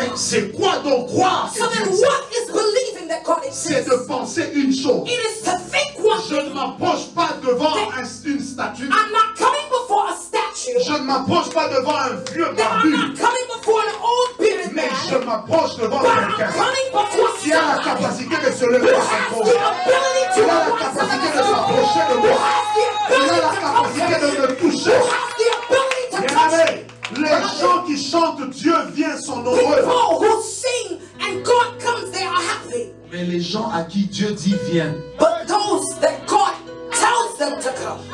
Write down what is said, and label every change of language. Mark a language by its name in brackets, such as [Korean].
[French] Mais c'est quoi donc croire? [English] So then what is believing that God exists? [French] C'est de penser une chose. [English] It is to think one. [French] Je ne m'approche pas devant une statue. [English] I'm not coming before a statue. [French] Je ne m'approche pas devant un vieux barbu. [English] I'm not coming before an old bearded man. [French] Mais je m'approche devant quelqu'un. [English] But I'm coming before somebody. [French] Qui a la capacité de se lever par son corps. [English] Who has the ability to approach somebody. [French] Qui a la capacité de s'approcher de moi. [English] Who has the ability to approach somebody. Who has the ability to touch somebody. [French] Les gens qui chantent Dieu vient sont heureux. [English] People who sing and God comes they are happy. [French] Mais les gens à qui Dieu dit vient. [English] But those that God tells them to come.